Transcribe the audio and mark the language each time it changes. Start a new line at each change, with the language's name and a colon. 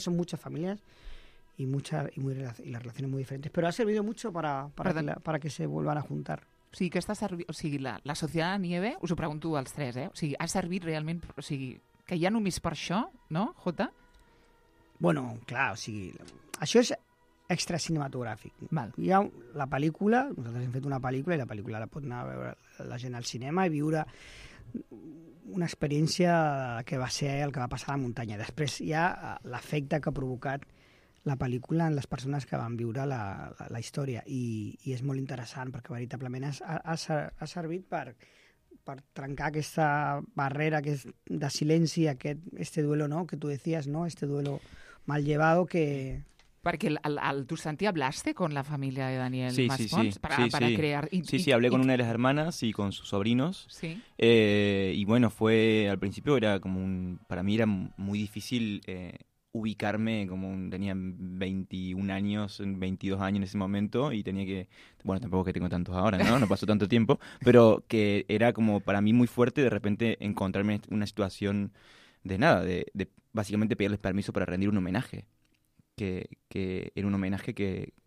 Spanish: Son muchas familias y las relaciones muy diferentes, pero ha servido mucho para que se vuelvan a juntar.
Catalan: O sigui, que la Sociedad de la Nieve, us ho pregunto als tres, o sigui, ha servit realment, o sigui, que ja només per això, no, Jota? Bueno, clar, o sigui, això és extra cinematogràfic. Val. Hi ha la pel·lícula, nosaltres hem fet una pel·lícula i la pel·lícula la pot anar a veure la gent al cinema i viure una experiència que va ser el que va passar a la muntanya. Després hi ha l'efecte que ha provocat la pel·lícula en les persones que van viure la història i és molt interessant perquè veritablement ha servit per trencar aquesta barrera que és de silenci,
Spanish: este duelo,
Catalan: no?
Spanish: Que tu decías, no? Este duelo mal llevado que... Perquè tu Santi hablaste con la família de Daniel Maspons hablé con una de las hermanas y con sus sobrinos. Sí. Y bueno, fue al principio era como para mí era muy difícil ubicarme, tenía 21 años, 22 años en ese momento y tenía que, bueno, tampoco que tengo tantos ahora, ¿no? No pasó tanto tiempo, pero que era como para mí muy fuerte de repente encontrarme en una situación de nada, de básicamente pedirles permiso para rendir un homenaje. Que era un homenaje que,